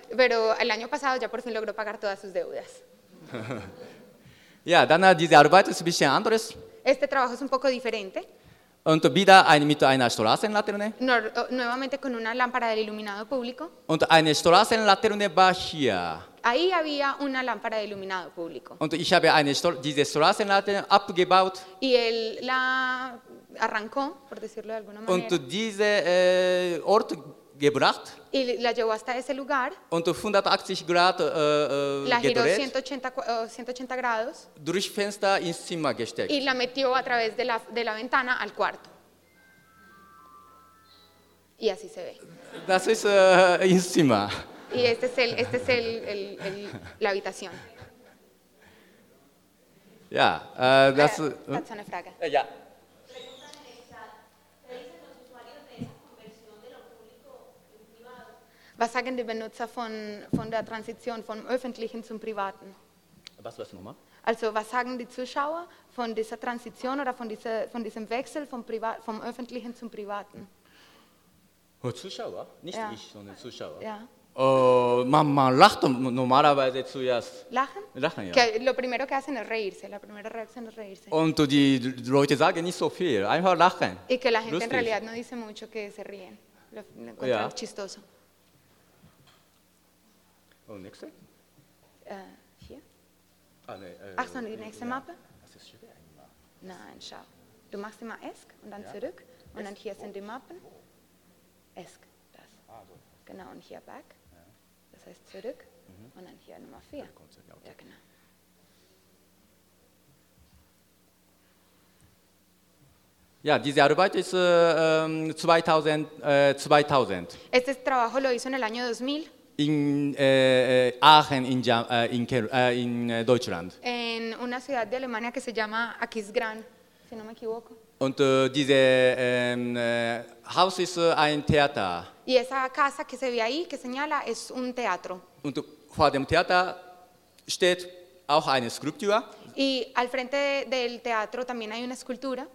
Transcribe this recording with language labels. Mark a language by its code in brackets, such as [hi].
[es] Pero el año pasado ya por fin logró pagar todas sus deudas. [de] Ja, dann diese Arbeit ist ein bisschen anderes. [es] Este trabajo es un poco diferente. [de] Und wieder mit einer Straßenlaterne. [es] Nuevamente con una lámpara del iluminado público. [de] Und eine Straßenlaterne war hier. [es] Ahí había una lámpara de iluminado público. [de] Und ich habe eine diese Straßenlaterne abgebaut. [es] Y él la arrancó, por decirlo de alguna manera. [de] Und diese Ort gebracht. [es] Y la llevó hasta ese lugar. [de] Und 180 Grad [es] la giró 180 grados. [de] Durch Fenster ins Zimmer gesteckt. [es] Y la metió a través de la ventana al cuarto. Y así se ve. [de] Das ist ins Zimmer. [es] Y este es el la habitación. [de] Ja, das ist eine Frage. Ja. Was sagen die Benutzer von der Transition vom Öffentlichen zum Privaten? Was nochmal? Also, was sagen die Zuschauer von dieser Transition oder von diesem Wechsel vom Öffentlichen zum Privaten? Zuschauer? Nicht ja. Ich, sondern Zuschauer. Ja. Man lacht normalerweise zuerst. Lachen? Lachen, ja. [es] Lo primero que hacen es reírse. La primera reacción es reírse. [de] Und die Leute sagen nicht so viel, einfach lachen. [es] Y que la gente lustig. En realidad no dice mucho que se ríen. Lo encuentran ja. Chistoso. [de] Und nächste? Hier? Ach so, die nächste Mappe? Das ist schwer. Nein, schau. Du machst immer ESC und dann ja. Zurück. Und ESC. Dann hier sind die Mappen. ESC, das. Ah, so. Genau, und hier back. Ja. Das heißt zurück. Mhm. Und dann hier Nummer 4. Ja, genau. Ja, diese Arbeit ist 2000. [es] Este trabajo lo hizo en el año 2000. [de] In Aachen in Deutschland. [es] En una ciudad de Alemania que se llama Aquisgrán, si no me equivoco. [de] Und diese Haus ist ein Theater. [es] Y esa casa que se ve ahí, que señala, es un teatro. [de] Und vor dem Theater steht auch eine Skulptur. [es] Y al frente del teatro también hay una escultura.